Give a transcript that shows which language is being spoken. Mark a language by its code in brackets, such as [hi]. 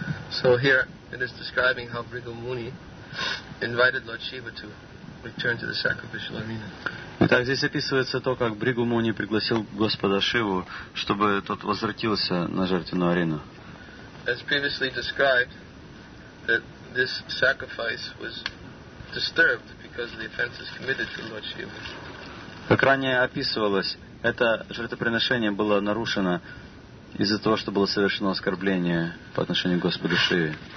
[en] So here it is describing how Bhrigu Muni invited Lord Shiva to return to the sacrificial arena. [ru] Итак, здесь описывается то, как Бригу Муни пригласил Господа Шиву, чтобы тот возвратился на жертвенную арену. [en] As previously described, that this sacrifice was disturbed because of the offenses committed to Lord Shiva. [ru] Как ранее описывалось, это жертвоприношение было нарушено из-за того, что было совершено оскорбление по отношению к Господу Шиве.